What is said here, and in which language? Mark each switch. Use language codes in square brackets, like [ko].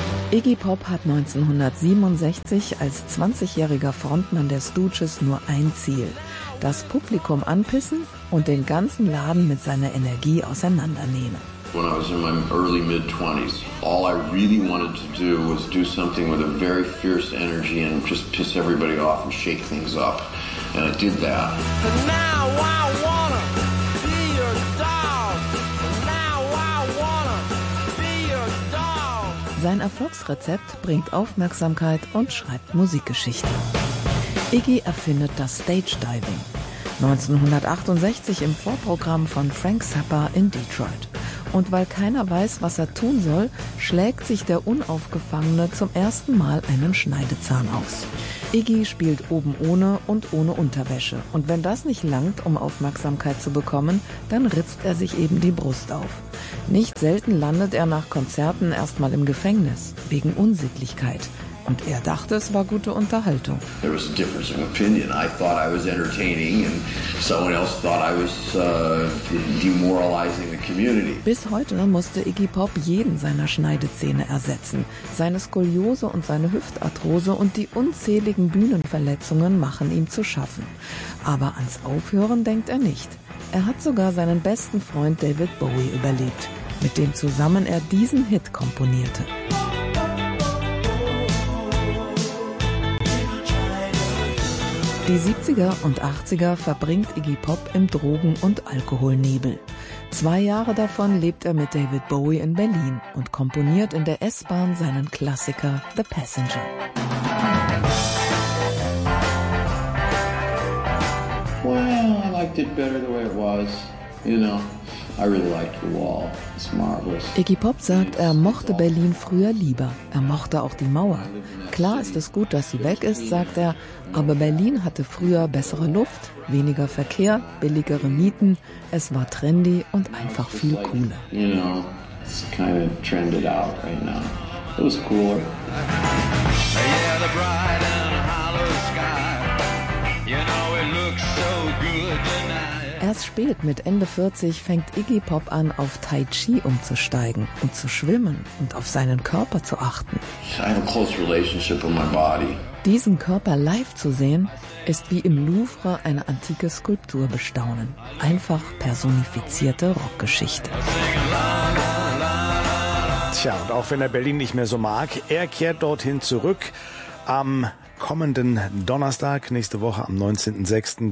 [de] Iggy Pop hat 1967 als 20-jähriger Frontmann der Stooges nur ein Ziel: das Publikum anpissen und den ganzen Laden mit seiner Energie auseinandernehmen. [en] When I was in my early mid-20s, all I really wanted to do was do something with a very fierce energy and just piss everybody off and shake things up. And I did that. [de] Sein Erfolgsrezept bringt Aufmerksamkeit und schreibt Musikgeschichte. Iggy erfindet das Stage Diving. 1968 im Vorprogramm von Frank Zappa in Detroit. Und weil keiner weiß, was er tun soll, schlägt sich der Unaufgefangene zum ersten Mal einen Schneidezahn aus. Iggy spielt oben ohne und ohne Unterwäsche. Und wenn das nicht langt, um Aufmerksamkeit zu bekommen, dann ritzt er sich eben die Brust auf. Nicht selten landet er nach Konzerten erstmal im Gefängnis, wegen Unsittlichkeit. Und er dachte, es war gute Unterhaltung. There was a difference of opinion. I thought I was entertaining and someone else thought I was demoralizing the community. Bis heute musste Iggy Pop jeden seiner Schneidezähne ersetzen. Seine Skoliose und seine Hüftarthrose und die unzähligen Bühnenverletzungen machen ihm zu schaffen. Aber ans Aufhören denkt er nicht. Er hat sogar seinen besten Freund David Bowie überlebt, mit dem zusammen er diesen Hit komponierte. Die 70er und 80er verbringt Iggy Pop im Drogen- und Alkoholnebel. 2 Jahre davon lebt er mit David Bowie in Berlin und komponiert in der S-Bahn seinen Klassiker The Passenger. [en] Well, I liked it better the way it was, you know. I really liked the wall. It's marvelous. [de] Iggy Pop sagt, er mochte Berlin früher lieber. Er mochte auch die Mauer. Klar ist es gut, dass sie weg ist, sagt er. Aber Berlin hatte früher bessere Luft, weniger Verkehr, billigere Mieten. Es war trendy und einfach viel cooler. [en] You know, it's kind of trended out right now. It was cooler. Yeah, the bright and hollow sky. You know, it looks so good tonight. [de] Erst spät mit Ende 40 fängt Iggy Pop an, auf Tai Chi umzusteigen und zu schwimmen und auf seinen Körper zu achten. [en] I have a close relationship with my body. [de] Diesen Körper live zu sehen, ist wie im Louvre eine antike Skulptur bestaunen. Einfach personifizierte Rockgeschichte. Tja, und auch wenn er Berlin nicht mehr so mag, er kehrt dorthin zurück am kommenden Donnerstag, nächste Woche am 19.06.